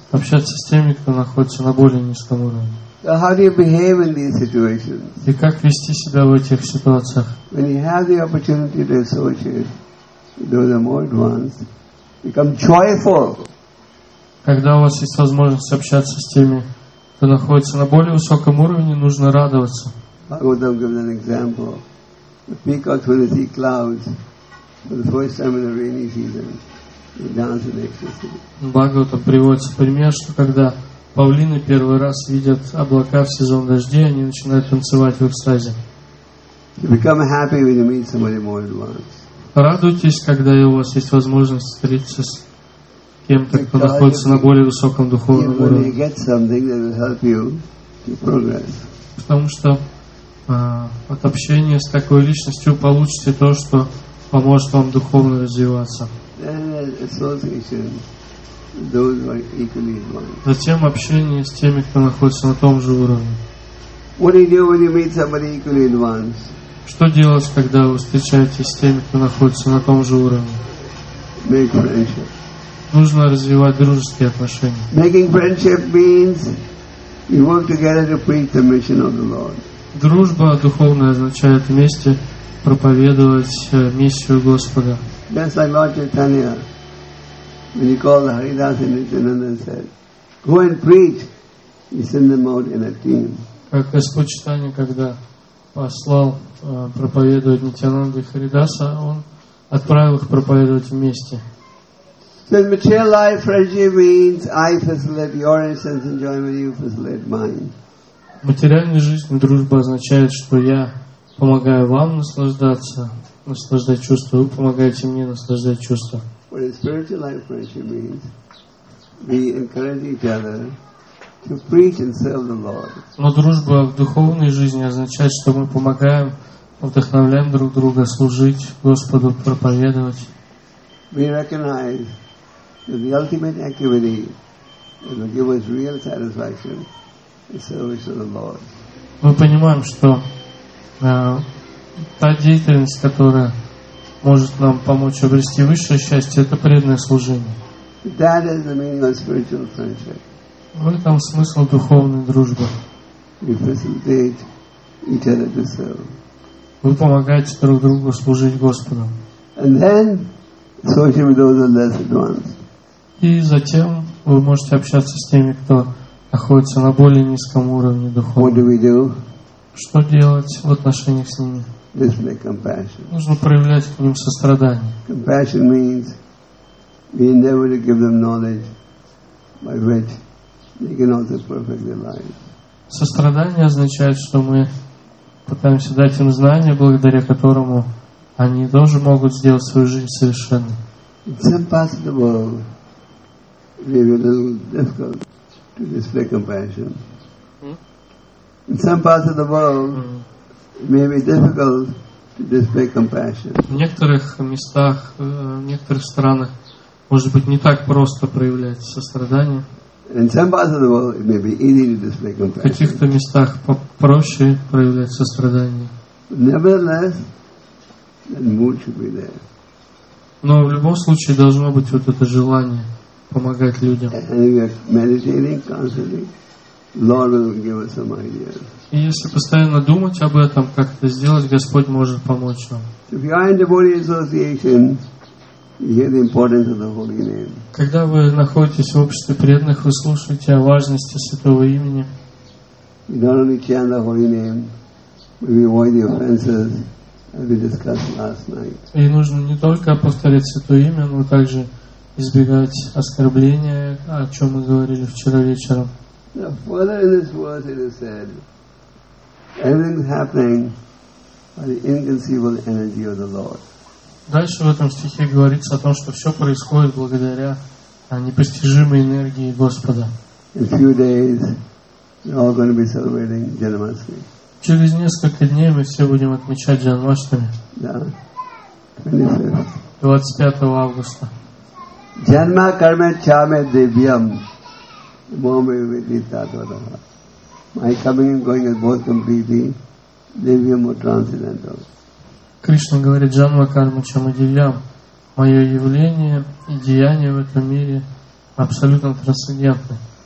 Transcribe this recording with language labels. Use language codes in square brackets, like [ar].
[ru] Общаться с теми, кто находится на более низком уровне. [en] So how do you behave in these situations? [ru] И как вести себя в этих ситуациях? [en] When you have the opportunity to associate with those more advanced, become joyful. [ru] Когда у вас есть возможность общаться с теми, кто находится на более высоком уровне, нужно радоваться. [en] Bhagavata gives an example. The peacocks when they see clouds for the first time in the rainy season, they dance in ecstasy. [ru] Bhagavata приводит пример, что когда павлины первый раз видят облака в сезон дождей, они начинают танцевать в экстазе. [en] You become happy when you meet somebody more advanced. [ru] Радуйтесь, когда у вас есть возможность встретиться с кем-то, кто находится на более высоком духовном уровне. [en] You get something that will help you to progress. [ru] Потому что от общения с такой личностью получите то, что поможет вам духовно развиваться. Затем общение с теми, кто находится на том же уровне. [en] What do you do when you meet somebody equally advanced? [ru] Что делать, когда вы встречаетесь с теми, кто находится на том же уровне? [en] Make friendship. [ru] Нужно развивать дружеские отношения. [en] Making friendship means you work together to preach the mission of the Lord. [ru] Дружба духовная означает вместе проповедовать миссию Господа. [en] Just like Lord Chaitanya. When he called the Haridas and Nityananda and said, go and preach, he sent them out in a team. [ru] Как Господь Чайтанья, когда послал проповедовать Нитянанду и Харидаса, он отправил их проповедовать вместе. [en] So in material life, friendship means I facilitate your sense enjoyment, you facilitate mine. [ru] В материальной жизни дружба означает, что я помогаю вам наслаждаться, наслаждать чувства, вы помогаете мне наслаждать чувства. [en] What is spiritual life friendship means? We encourage each other to preach and serve the Lord. [ru] Но дружба в духовной жизни означает, что мы помогаем, вдохновляем друг друга служить Господу, проповедовать. [en] We recognize that the ultimate activity that will give us real satisfaction is service to the Lord. [ru] Мы понимаем, что та деятельность, которая может нам помочь обрести высшее счастье, это преданное служение. [en] That is the meaning of spiritual friendship. [ru] В этом смысл духовной дружбы. [en] We facilitate each other to serve. [ru] Вы помогаете друг другу служить Господу. [en] And then, associate with those less advanced. [ru] И затем вы можете общаться с теми, кто находится на более низком уровне духовного. [en] What do we do? [ru] Что делать в отношениях с ними? [en] Display compassion. [ru] Нужно проявлять к ним сострадание. [en] Compassion means we endeavor to give them knowledge by which they can also perfect their lives. [ru] Сострадание означает, что мы пытаемся дать им знания, благодаря которому они тоже могут сделать свою жизнь совершенной. [en] It's impossible maybe a little difficult to display compassion. In some parts of the world it may be difficult to display compassion. [ru] В некоторых местах, в некоторых странах может быть не так просто проявлять сострадание. [en] In some parts of the world it may be easy to display compassion. [ru] В каких-то местах проще проявлять сострадание. [en] Nevertheless, that mood should be there. [ru] Но в любом случае должно быть вот это желание помогать людям. [en] And we are meditating constantly. Lord will give us some ideas. [ru] И если постоянно думать об этом, как это сделать, Господь может помочь нам. [en] If you are in devotee association, you hear the importance of the holy name. [ru] Когда вы находитесь в обществе преданных, вы слушаете о важности святого имени. [en] You not only chant the holy name, but we avoid the offenses as we discussed last night. [ru] И нужно не только повторять святое имя, но также избегать оскорбления, о чем мы говорили вчера вечером. [en] Now, further in this verse, it is said, everything is happening by the inconceivable energy of the Lord. [ru] Дальше в этом стихе говорится о том, что все происходит благодаря непостижимой энергии Господа. [en] In a few days, we're all going to be celebrating Janmashtami. [ru] Через несколько дней мы все будем отмечать Джанмаштами. Да. 25 августа. [sa] Janma karma chame devyam. [en] My coming and going is both completely devyam or transcendental. [ru] Кришна говорит, [sa] Джанма карма чама девьям. [ru] Мое явление и деяние в этом мире абсолютно трансцендентны.